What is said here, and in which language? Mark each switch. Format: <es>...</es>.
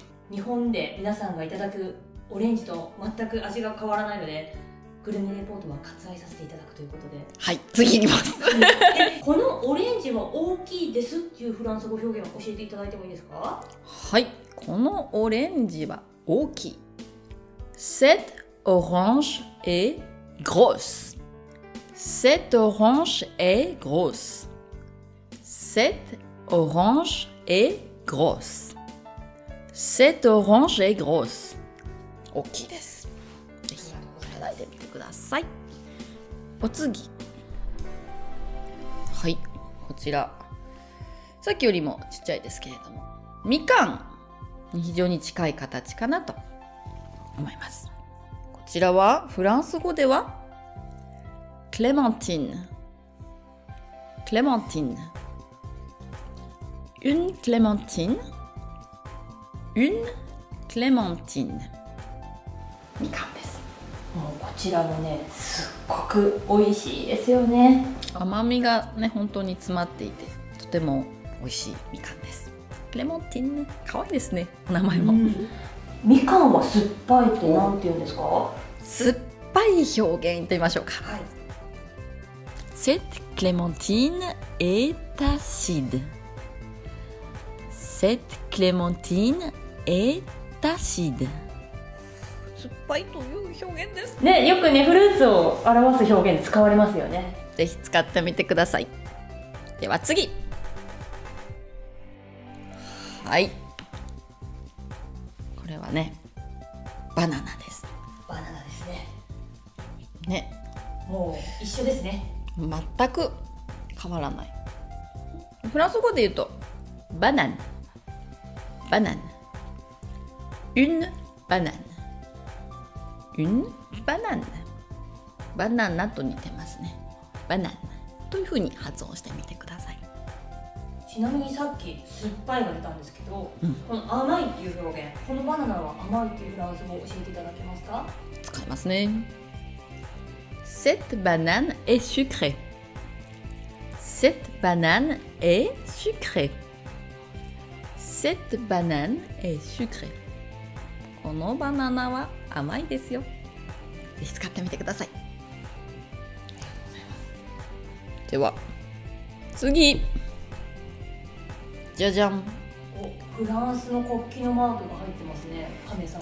<ja>日本で皆さんがいただくオレンジと全く味が変わらないのでグルメレポートは割愛させていただくということで、はい、次いきます。このオレンジは大きいですっていうフランス語表現を教えていただいてもいいですか？はい、このオレンジは大きい。</ja> <fr>Cette orange est grosse. Cette orange est grosse. Cette orange est grosse. Cette orange est grosse.</fr> <ja>大きいです。ぜひいただいてみてください。お次、はい、こちらさっきよりもちっちゃいですけれども、みかん非常に近い形かなと思います。こちらはフランス語ではクレマンティン、クレマンティン、ウンクレマンティン、ウンクレマンティン、みかんです。もうこちらもね、すっごく美味しいですよね。甘みがね、本当に詰まっていてとても美味しいみかんです。クレモンティンね、可愛いですね、お名前も、うん、みかんは酸っぱいってなんて言うんですか？酸っぱい表現と言いましょうか。はい、</ja> <fr>Cette clémentine est acide. Cette clémentine est acide.</fr> <ja>酸っぱいという表現ですね。よくね、フルーツを表す表現使われますよね。ぜひ使ってみてください。では次、はい、これはね、バナナです。バナナですね。ね、もう一緒ですね。全く変わらない。フランス語で言うと、バナナ、バナナ、ウンバナナ、ウンバナナ、バナナと似てますね。バナナというふうに発音してみてください。ちなみにさっき酸っぱいが出たんですけど、この甘いっていう表現、このバナナは甘いっていうフランス語を教えていただけますか？使いますね。</ja> <fr>Cette banane est sucrée. Cette banane est sucrée. Cette banane est sucrée.</fr> <ja>このバナナは甘いですよ。ぜひ使ってみてください。では次。じゃじゃん。フランスの国旗のマークが入ってますね、カメさん。</ja>